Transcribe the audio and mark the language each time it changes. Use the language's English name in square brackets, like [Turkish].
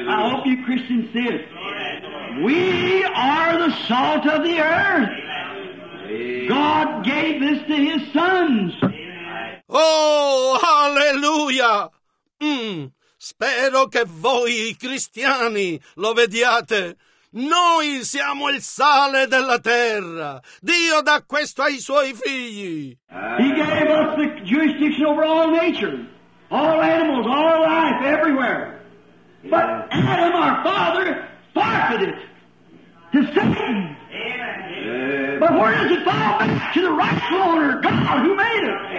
[English] hope you Christians see it. We are the salt of the earth. God gave this to his sons. Oh, alleluia! [Italian] Spero che voi, cristiani, lo vediate. Noi siamo il sale della terra. Dio dà questo ai suoi figli. [English] He gave us the jurisdiction over all nature, all animals, all life, everywhere. But Adam, our father, forfeited it to Satan. But where does it fall back? To the rightful owner, God, who made it.